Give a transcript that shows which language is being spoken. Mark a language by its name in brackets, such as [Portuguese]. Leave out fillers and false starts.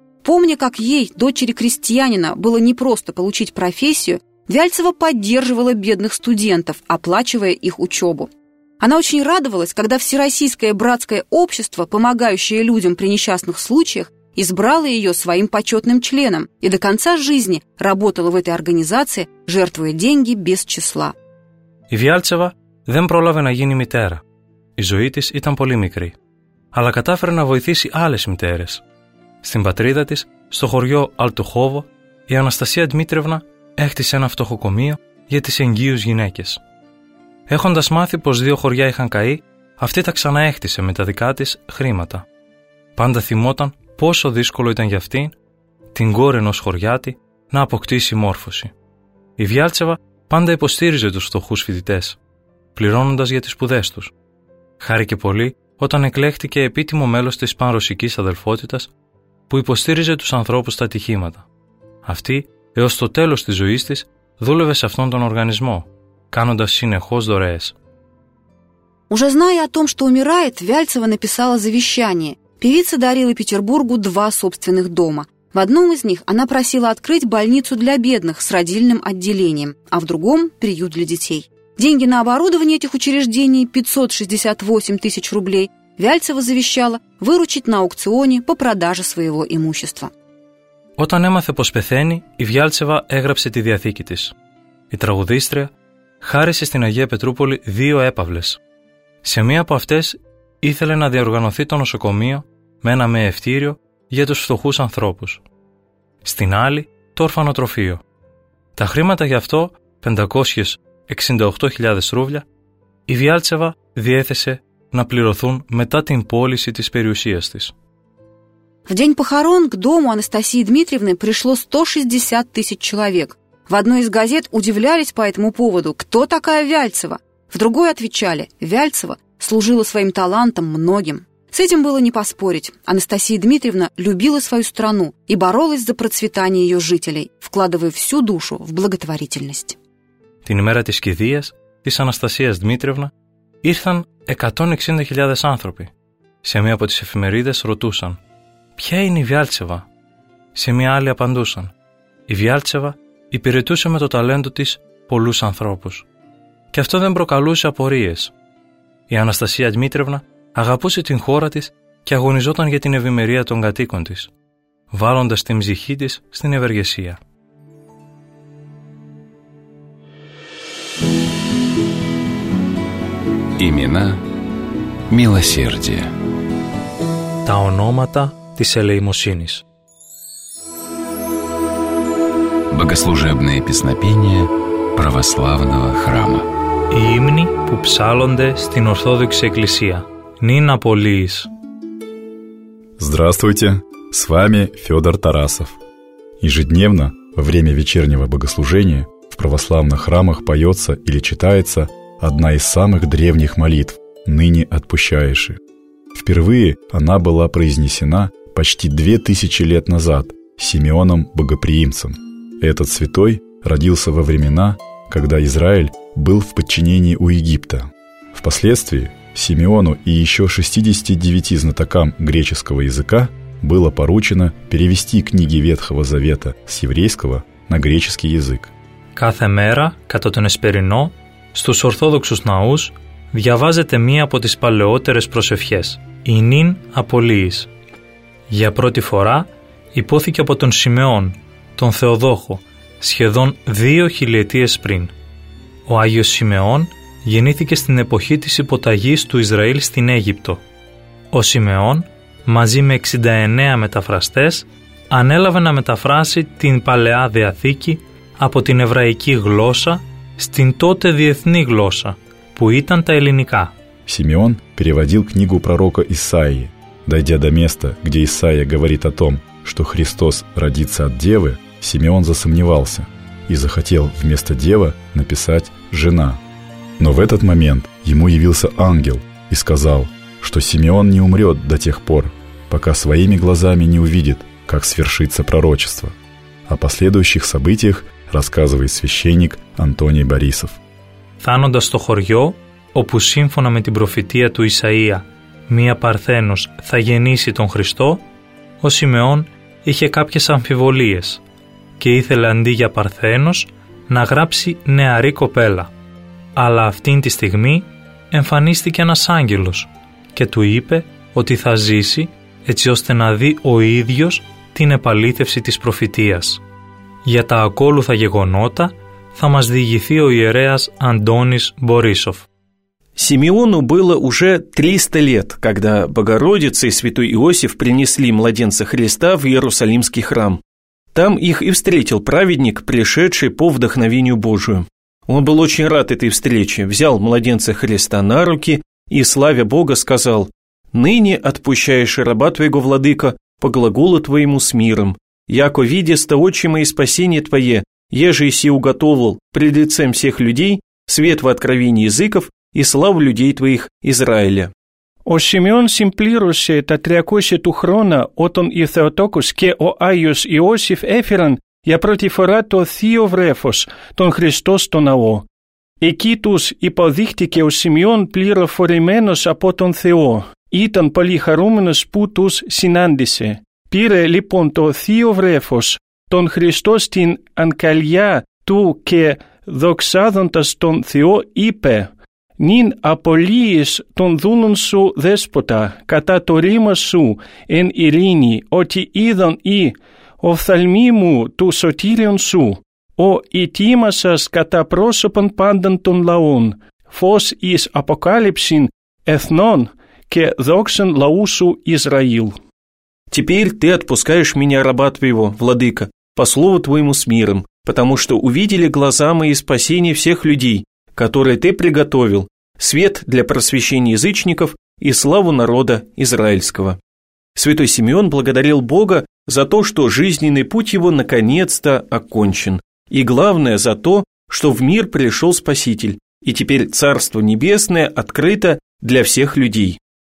[Russian] Помня, как ей, дочери крестьянина, было непросто получить профессию, Вяльцева поддерживала бедных студентов, оплачивая их учебу. Она очень радовалась, когда Всероссийское братское общество, помогающее людям при несчастных случаях, избрало ее своим почетным членом и до конца жизни работала в этой организации, жертвуя деньги без числа. [Greek] Η Βιάλτσεβα δεν πρόλαβε να γίνει μητέρα. Η ζωή της ήταν πολύ μικρή. Αλλά κατάφερε να βοηθήσει άλλες μητέρες. Στην πατρίδα της, στο χωριό Αλτουχόβο, η Αναστασία Δημήτριευνα έχτισε ένα φτωχοκομείο για τις εγγύους γυναίκες. Έχοντας μάθει πως δύο χωριά είχαν καεί, αυτή τα ξαναέχτισε με τα δικά της χρήματα. Πάντα θυμόταν πόσο δύσκολο ήταν για αυτήν, την κόρη ενός χωριάτη, να αποκτήσει μόρφωση. Η Βιάλτσεβα πάντα υποστήριζε τους φτωχούς φοιτητές, πληρώνοντας για τις σπουδές τους. Χάρηκε πολύ όταν εκλέχτηκε επίτιμο μέλος της πανρωσικής αδελφότητας που υποστήριζε τους ανθρώπους στα ατυχήματα. Αυτή, έως το τέλος της ζωής της, δούλευε σε αυτόν τον οργανισμό, κάνοντας συνεχώς δωρεές. [Russian] Уже зная о том, что умирает, Вяльцева написала завещание. Певица дарила Петербургу два собственных дома. В одном из них она просила открыть больницу для бедных с родильным отделением, а в другом – приют для детей. Деньги на оборудование этих учреждений – 568 тысяч рублей – Вяльцева завещала выручить на аукционе по продаже своего имущества. [Greek] Όταν έμαθε πως πεθαίνει, η Βιάλτσεβα έγραψε τη διαθήκη της. Η τραγουδίστρια χάρισε στην Αγία Πετρούπολη δύο έπαυλες. Σε μία από αυτές ήθελε να διοργανωθεί το νοσοκομείο με ένα μεευτήριο για τους φτωχούς ανθρώπους. Στην άλλη, το ορφανοτροφείο. Τα χρήματα γι' αυτό, 568.000 ρούβλια, η Βιάλτσεβα διέθεσε να πληρωθούν μετά την πώληση της περιουσίας της. [Russian] В день похорон к дому Анастасии Дмитриевны пришло 160 тысяч человек. В одной из газет удивлялись по этому поводу, кто такая Вяльцева. В другой отвечали, Вяльцева служила своим талантом многим. С этим было не поспорить. Анастасия Дмитриевна любила свою страну и боролась за процветание ее жителей, вкладывая всю душу в благотворительность. [Greek] Την ημέρα της κηδείας της Αναστασίας Δημήτριευνα ήρθαν 160.000 άνθρωποι. Σε μία από τις εφημερίδες ρωτούσαν «Ποια είναι η Βιάλτσεβα?» Σε μία άλλη απαντούσαν «Η Βιάλτσεβα υπηρετούσε με το ταλέντο της πολλούς ανθρώπους». Και αυτό δεν προκαλούσε απορίες. Η Αναστασία Δημήτρευνα αγαπούσε την χώρα της και αγωνιζόταν για την ευημερία των κατοίκων της, βάλλοντας την ψυχή της στην ευεργεσία. [Russian] Имена милосердия. [Greek] Τα ονόματα της ελεημοσύνης. [Russian] Богослужебные песнопения православного храма. [Greek] Οι ύμνοι που ψάλλονται στην Ορθόδοξη Εκκλησία. Νίνα Πολύης. [Russian] Здравствуйте, с вами Федор Тарасов. Ежедневно во время вечернего богослужения в православных храмах поется или читается одна из самых древних молитв «Ныне отпущаешь». Впервые она была произнесена почти 2000 лет назад Симеоном Богоприимцем. Этот святой родился во времена, когда Израиль был в подчинении у Египта. Впоследствии Симеону и еще 69 знатокам греческого языка было поручено перевести книги Ветхого Завета с еврейского на греческий язык. [Greek] Κάθε μέρα, κατά τον Εσπερινό, στους Ορθόδοξους Ναούς, διαβάζεται μία από τις παλαιότερες προσευχές. Η νυν απολύης. Για πρώτη φορά υπόθηκε από τον Σιμεών, τον Θεοδόχο, σχεδόν δύο χιλιετίες πριν. Ο Άγιος Σιμεών γεννήθηκε στην εποχή της υποταγής του Ισραήλ στην Αίγυπτο. Ο Σιμεών, μαζί με 69 μεταφραστές, ανέλαβε να μεταφράσει την Παλαιά Διαθήκη από την εβραϊκή γλώσσα στην τότε διεθνή γλώσσα, που ήταν τα ελληνικά. [Russian] Симеон переводил книгу пророка Исаии. Дойдя до места, где Исаия говорит о том, что Христос родится от девы, Симеон засомневался и захотел вместо девы написать «жена». Но в этот момент ему явился ангел и сказал, что Симеон не умрет до тех пор, пока своими глазами не увидит, как свершится пророчество. О последующих событиях рассказывает священник Антоний Борисов. [Greek] Φτάνοντας στο χωριό, όπου σύμφωνα με την προφητεία του Ισαΐα, μία παρθένος θα γεννήσει τον Χριστό, ο Σιμεών είχε κάποιες αμφιβολίες και ήθελε αντί για παρθένος να γράψει νεαρή κοπέλα. Αλλά αυτήν τη στιγμή εμφανίστηκε ένας άγγελος και του είπε ότι θα ζήσει έτσι ώστε να δει ο ίδιος την επαλήθευση της προφητείας. Για τα ακόλουθα γεγονότα θα μας διηγηθεί ο ιερέας Αντώνης Μπορίσοφ. [Russian] Симеону было уже 300 лет, когда Богородица и святой Иосиф принесли младенца Христа в Иерусалимский храм. Там их и встретил праведник, пришедший по вдохновению Божию. Он был очень рад этой встрече, взял младенца Христа на руки и, славя Бога, сказал [Church Slavic] «Ныне отпущаешь раба твоего, Владыка, по глаголу твоему с миром, яко видеста очи мои спасение твое еже еси уготовал пред лицем всех людей свет в откровении языков и славу людей твоих Израиля. [Greek] Ο Σιμεών συμπλήρωσε τα 300 χρόνια όταν ο Θεοτόκος και ο Άγιος Ιώσιφ έφεραν για πρώτη φορά το Θείο Βρέφος, τον Χριστό στο ναό. Εκεί τους υποδείχτηκε ο Σιμεών πληροφορημένος από τον Θεό. Ήταν πολύ χαρούμενος που τους συνάντησε. Πήρε λοιπόν το Θείο Βρέφος, τον Χριστό στην αγκαλιά του και δοξάδοντας τον Θεό είπε «Νιν απολύεις τον δούλον σου δέσποτα κατά το ρήμα σου εν ειρήνη ότι είδον η οφθαλμή μου του σωτήριον σου, ο ητήμασας κατά πρόσωπον πάντων των λαών, φως εις αποκάλυψην εθνών και δόξεν λαού σου Ισραήλ». [Russian] «Теперь ты отпускаешь меня, раба твоего, владыка, по слову твоему с миром, потому что увидели глаза мои спасение всех людей, которые ты приготовил, свет для просвещения язычников и славу народа израильского». Святой Симеон благодарил Бога за то, что жизненный путь его наконец-то окончен, и главное за то, что в мир пришел Спаситель, и теперь Царство Небесное открыто для всех людей.